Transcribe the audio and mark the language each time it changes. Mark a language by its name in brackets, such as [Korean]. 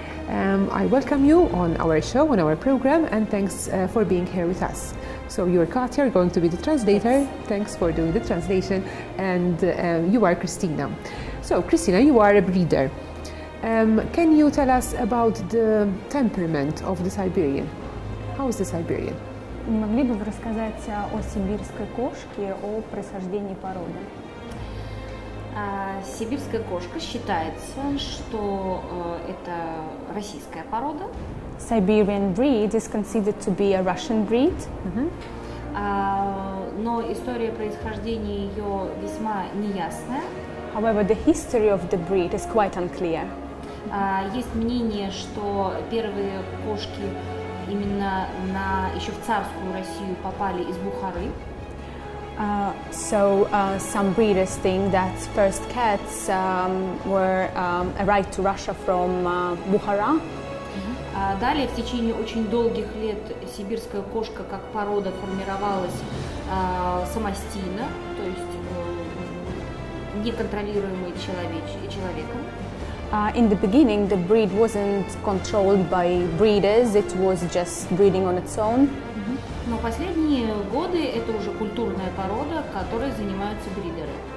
[English] I welcome you on our show, on our program, and thanks for being here with us. So you're Katya, you're going to be the translator. Yes. Thanks for doing the translation. And you are Khristina. So Khristina, you are a breeder. Can you tell us about the temperament of the Siberian? How is the Siberian? [Russian] Могли бы вы рассказать о сибирской кошке, о происхождении породы? Сибирская кошка считается, что это российская порода. [English] Siberian breed is considered to be a Russian breed. [Russian] Но история происхождения ее весьма неясная. [English] However, the history of the breed is quite unclear. [Russian] Есть мнение, что первые кошки именно на еще в царскую Россию попали из Бухары. [English] Some breeders think that first cats were arrived to Russia from Bukhara. [Russian] Далее в течение очень долгих лет сибирская кошка как порода формировалась самостоятельно, то есть неконтролируемой человеком. [English] In the beginning, the breed wasn't controlled by breeders; it was just breeding on its own. [Russian] Но последние годы это уже культурная порода, которой занимаются бридеры.